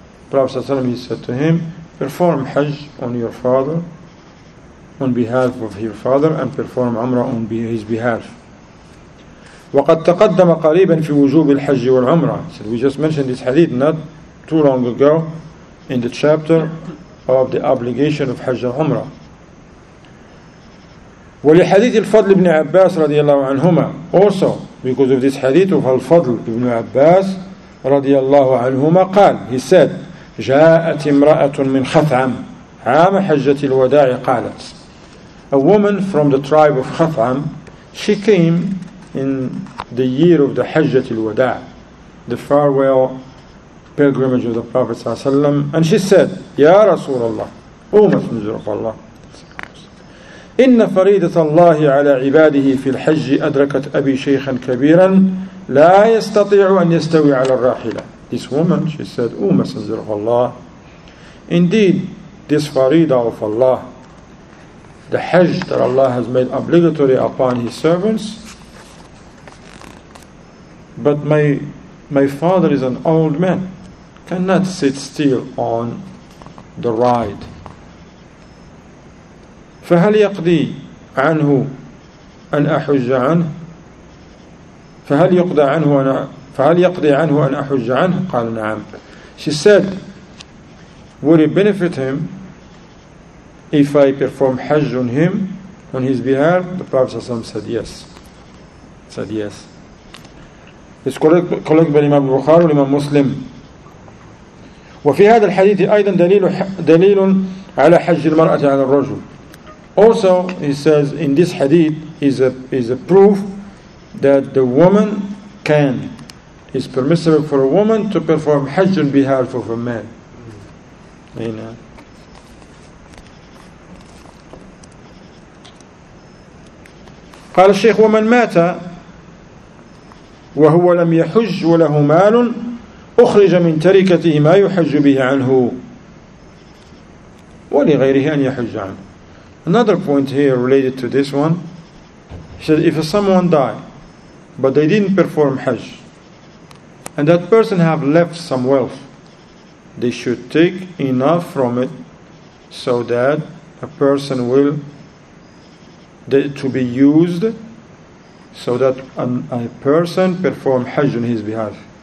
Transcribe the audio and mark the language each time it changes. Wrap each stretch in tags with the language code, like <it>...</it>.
<en>Prophet ﷺ, he said to him, perform Hajj on your father, on behalf of your father, and perform Umrah on his behalf.</en> <ar>وَقَدْ تَقَدَّمَ قَرِيبًا فِي وُجُوبِ الْحَجِّ وَالْعُمْرَةِ.</ar> <en>So we just mentioned this hadith not too long ago in the chapter of the obligation of Hajj and Umrah.</en> <ar>ولحديث الفضل بن عباس رضي الله عنهما.</ar> <en>Also, because of this hadith of</en> <ar>الفضل بن عباس رضي الله عنهما قال, he said, جاءت امرأة من خثعم عام حجة الوداع قالت.</ar> <en>A woman from the tribe of خثعم, she came in the year of the حجة الوداع, the farewell pilgrimage of the Prophet صلى الله عليه وسلم, and she said,</en> <ar>يا رسول الله,</ar> <en>O Messenger of Allah,</en> <ar>إن فريضة الله على عباده في الحج أدركت أبي شيخا كبيرا لا يستطيع أن يستوي على الراحلة.</ar> <en>This woman, she said, O Messenger of Allah, indeed, this farida of Allah, the Hajj that Allah has made obligatory upon His servants, but my father is an old man, cannot sit still on the ride.</en> <ar>فهل يقضي عنه أن أحج عنه؟ فهل يقضى عنه أن فهل يقضي عنه أن أحج عنه؟ قال نعم.</ar> <en>She said, would it benefit him if I perform Hajj on him, on his behalf? The Prophet said yes. Said yes. It's correct by Imam Bukhari, Imam Muslim.</en> <ar>وفي هذا الحديث أيضا دليل على حج المرأة على الرجل.</ar> <en>Also, he says in this hadith is a proof that the woman can, is permissible for a woman to perform Hajj on behalf of a man.</en> <ar>قال الشيخ ومن مات وهو لم يحج وله مال أخرج من تركته ما يحج به عنه ولغيره أن يحج عنه.</ar> <en>Another point here related to this one, he said, if someone died, but they didn't perform Hajj, and that person have left some wealth, they should take enough from it so that a person will to be used so that a person perform Hajj on his behalf.</en>